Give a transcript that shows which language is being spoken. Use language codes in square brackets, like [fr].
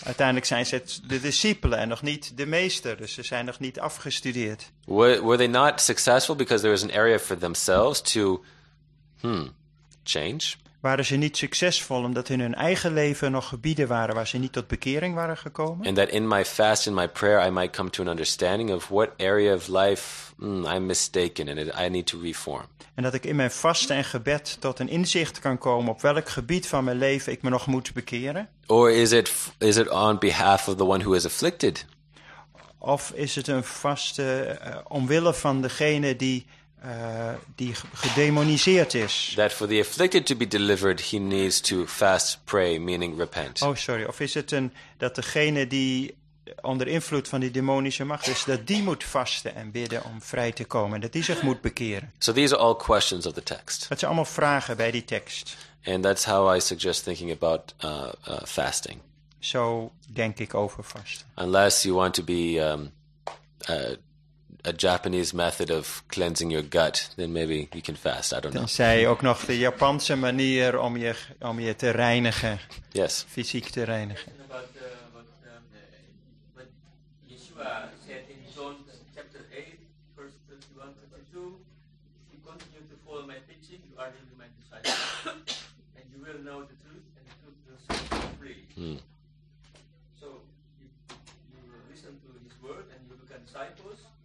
[nl] Uiteindelijk zijn ze de discipelen en nog niet de meester, dus ze zijn nog niet afgestudeerd. [en] Were they not successful because there was an area for themselves to change? [nl] Waren ze niet succesvol omdat in hun eigen leven nog gebieden waren waar ze niet tot bekering waren gekomen? [en] And that in my fast and my prayer I might come to an understanding of what area of life I'm mistaken and I need to reform. [nl] En dat ik in mijn vasten en gebed tot een inzicht kan komen op welk gebied van mijn leven ik me nog moet bekeren? [en] Or is it on behalf of the one who is afflicted? [nl] Of is het een vaste omwille van degene die gedemoniseerd is. [en] That for the afflicted to be delivered, he needs to fast, pray, meaning repent. Oh, sorry. [nl] Of is het dat degene die onder invloed van die demonische macht is, dat die moet vasten en bidden om vrij te komen, dat die zich moet bekeren? [en] So these are all questions of the text. [nl] Dat zijn allemaal vragen bij die tekst. [en] And that's how I suggest thinking about fasting. [nl] Zo denk ik over vasten. [en] Unless you want to be a Japanese method of cleansing your gut, then maybe you can fast. I don't know. [nl] Tenzij ook nog de Japanse manier om je te reinigen. [en] Yes. [nl] Fysiek te reinigen. [en] About what Yeshua said in John chapter 8, verse 21-22, if you continue to follow my teaching, you are indeed my disciple. And you will know the truth, and the truth will set you free. So you will listen to his word, and you will become disciples.